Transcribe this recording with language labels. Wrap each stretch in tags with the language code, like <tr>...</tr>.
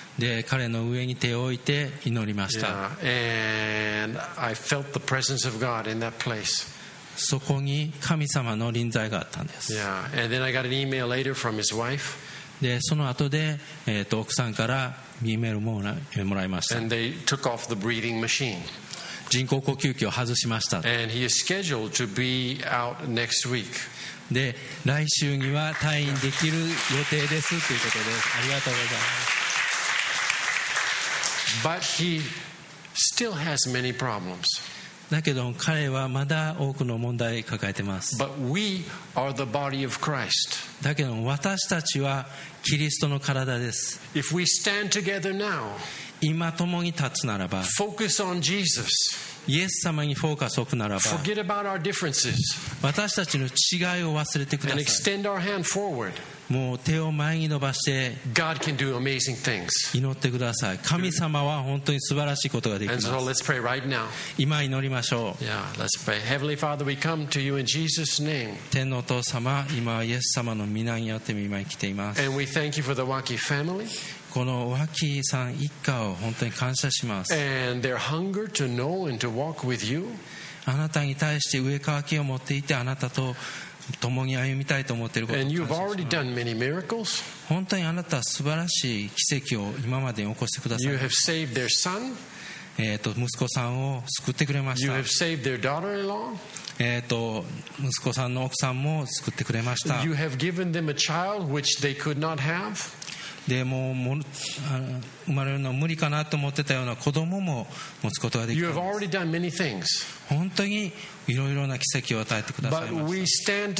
<ja>で、彼の上に手を置いて祈りました。</ja> <en>And I felt the presence of God in that place.</en> <ja>そこに神様の臨在があったんです。</ja> <en>Yeah. And then I got an email later from his wife.</en> <ja>で、その後で、奥さんからメールをもらいました。</ja> <en>And they took off the breathing machine.</en> <ja>人工呼吸器を外しました。</ja> <en>And he is scheduled to be out next week.</en> <ja>で、来週には退院できる予定ですということです。ありがとうございます。</ja> <en>But he still has many problems.</en> <ja>だけど彼はまだ多くの問題を抱えてます。</ja> <en>But we are the body of Christ.</en> <ja>だけど私たちはキリストの体です。</ja> <en>If we stand together now.</en> <ja>今共に立つならば、</ja> <en>Focus on Jesus.</en> <ja>イエス様にフォーカスを置くならば、</ja> <en>Forget about our differences.</en> <ja>私たちの違いを忘れてください。</ja> <en>And extend our hand forward.</en> <ja>もう手を前に伸ばして、</ja> <en>God can do amazing things.</en> <ja>祈ってください。神様は本当に素晴らしいことができます。</ja> <en>And so let's pray right now.</en> <ja>今祈りましょう。</ja> <en>Yeah, let's pray. Heavenly Father, we come to you in Jesus' name.</en> <ja>天のお父様、今イエス様の御名によって今来ています。</ja> <en>And we thank you for the Waki family.</en> <ja>この脇さん一家を本当に感謝します。</ja> <en>And their hunger to know and to walk with you.</en> <ja>あなたに対して上渇きを持っていて、あなたと共に歩みたいと思っていることを感謝します。本当にあなたは素晴らしい奇跡を今までに起こしてください。</ja> <en>You have saved their son.</en> <ja>息子さんを救ってくれました。</ja> <en>You have saved their daughter-in-law.</en> <ja>息子さんの奥さんも救ってくれました。</ja> <en>You have given them a child which they could not have.</en> <ja>でも生まれるのは無理かなと思ってたような子供も持つことができたんです。本当にいろいろな奇跡を与えてくださいました。</ja>